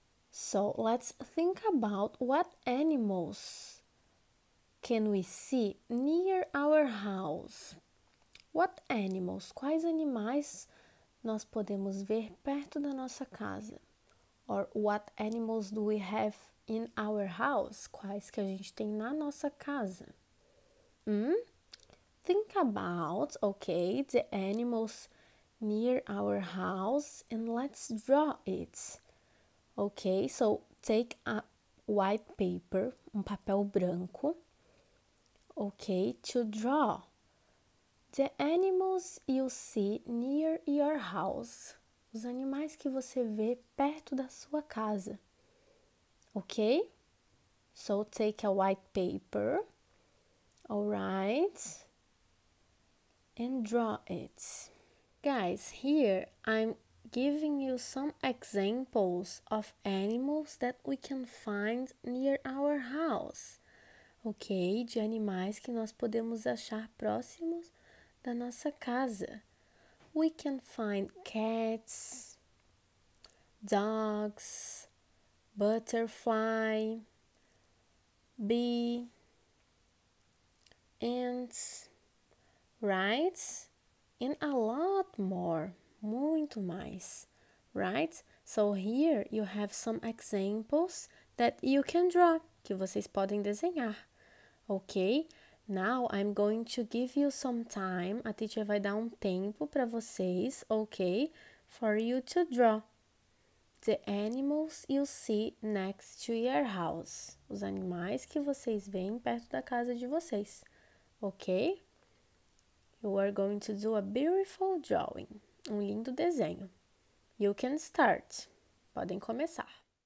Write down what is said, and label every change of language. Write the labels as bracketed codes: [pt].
[en] So let's think about what animals can we see near our house. What animals? [pt] Quais animais nós podemos ver perto da nossa casa? [en] Or what animals do we have in our house? [pt] Quais que a gente tem na nossa casa? [en] Think about, okay, the animals near our house and let's draw it. Okay, so take a white paper, [pt] um papel branco, [en] okay, to draw the animals you see near your house. [pt] Os animais que você vê perto da sua casa. [en] Okay? So take a white paper. Alright. And draw it. Guys, here I'm giving you some examples of animals that we can find near our house. Okay? [pt] De animais que nós podemos achar próximos da nossa casa. [en] We can find cats, dogs, butterfly, bee, ants, right? And a lot more, [pt] muito mais, [en] right? So here you have some examples that you can draw, [pt] que vocês podem desenhar, [en] okay? Now I'm going to give you some time. [pt] A teacher vai dar tempo para vocês, okay? [en] For you to draw the animals you see next to your house. [pt] Os animais que vocês veem perto da casa de vocês, okay? [en] You are going to do a beautiful drawing. [pt] Um lindo desenho. [en] You can start. [pt] Podem começar.